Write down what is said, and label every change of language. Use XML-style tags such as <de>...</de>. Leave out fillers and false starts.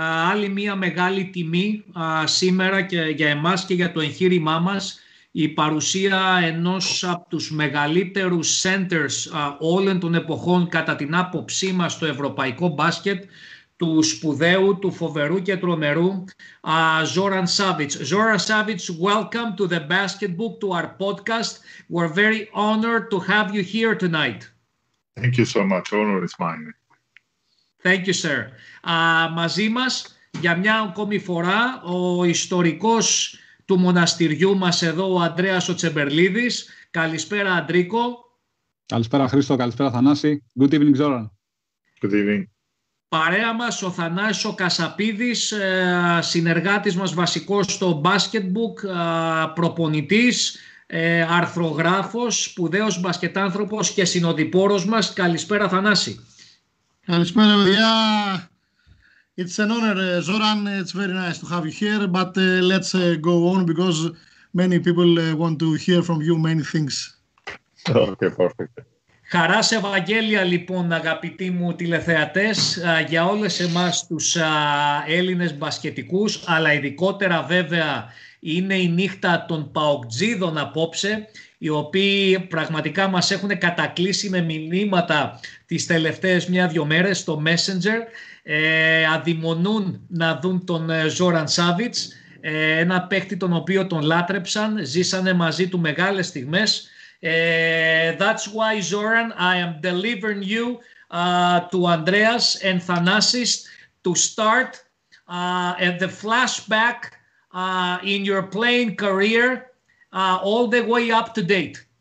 <el>Άλλη μια μεγάλη τιμή σήμερα και για εμάς και για το εγχείρημά μας, η παρουσία ενός από τους μεγαλύτερους centers όλων των εποχών κατά την άποψή μας στο ευρωπαϊκό μπάσκετ, του σπουδαίου, του φοβερού και τρομερού, Zoran Savić.</el> <en>Zoran Savić, welcome to the Basketbook, to our podcast. We're very honored to have you here tonight. Thank you so much. Honor is mine. Thank you, sir.</en> <el>Μαζί μας, για μια ακόμη φορά, ο ιστορικός του μοναστηριού μας εδώ, ο Ανδρέας ο Τσεμπερλίδης. Καλησπέρα, Αντρίκο. Καλησπέρα, Χρήστο. Καλησπέρα, Θανάση.</el> <en>Good evening, Zoran. Good evening.</en> <el>Παρέα μας ο Θανάσης ο Κασαπίδης, συνεργάτης μας βασικός στο Basketbook, προπονητής, αρθρογράφος, σπουδαίος μπασκετάνθρωπος και συνοδοιπόρος μας. Καλησπέρα, Θανάση. Καλησπέρα, παιδιά.</el> <en>It's an honor, Zoran. It's very nice to have you here, but let's go on because many people want to hear from you many things. Okay, perfect.</en> <el>Χαρά σε Ευαγγέλια λοιπόν, αγαπητοί μου τηλεθεατές, για όλες εμάς τους Έλληνες μπασκετικούς, αλλά ειδικότερα βέβαια είναι η νύχτα των ΠΑΟΚτζίδων απόψε, οι οποίοι πραγματικά μας έχουν κατακλείσει με μηνύματα τις τελευταίες μια-δυο μέρες στο Messenger. Αδειμονούν να δουν τον Zoran Savić, ένα παίχτη τον οποίο τον λάτρεψαν, ζήσανε μαζί του μεγάλες στιγμές.</el> <en>That's why, Zoran, I am delivering you to Andreas and Thanasis to start at the flashback in your playing career all the way up to date.</en>